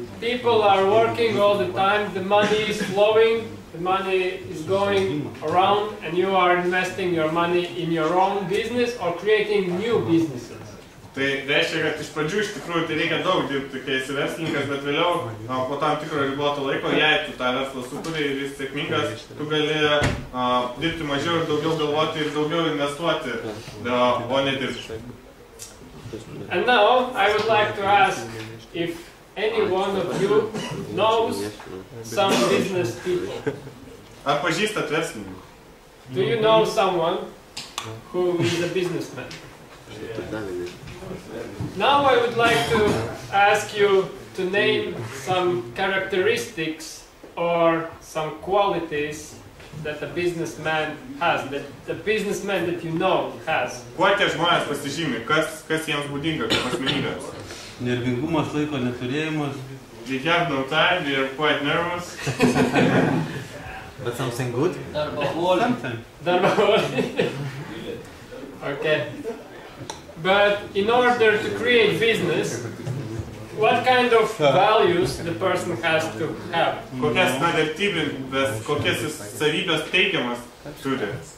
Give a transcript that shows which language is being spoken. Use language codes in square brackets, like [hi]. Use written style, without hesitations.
[en] People are working all the time, the money is flowing, the money is going around, and you are investing your money in your own business or creating new businesses. [lt] Tai reiškia, kad iš pradžių iš tikrųjų tai reikia daug dirbti, kai esi verslininkas, bet vėliau po tam tikro riboto laiko, jei tu tą verslą sukuri ir jis sėkmingas, tu gali dirbti mažiau ir daugiau galvoti ir daugiau investuoti, o ne dirbti. [en] And now I would like to ask if any one of you knows some business people. [lt] Ar pažįstat verslininką? [en] Do you know someone who is a businessman? Now I would like to ask you to name some characteristics or some qualities that a businessman has, that the businessman that you know has. [lt] Kuo tie žmonės pasižymi? Kas jiems būdinga kaip asmenybės? Nervingumas, laiko neturėjimas. [en] They have no time, they are quite nervous. But something good? [lt] Darboholic. [en] Okay. But in order to create business, what kind of values the person has to have? [lt] Kokias vertybės, kokias savybės teigiamas turi?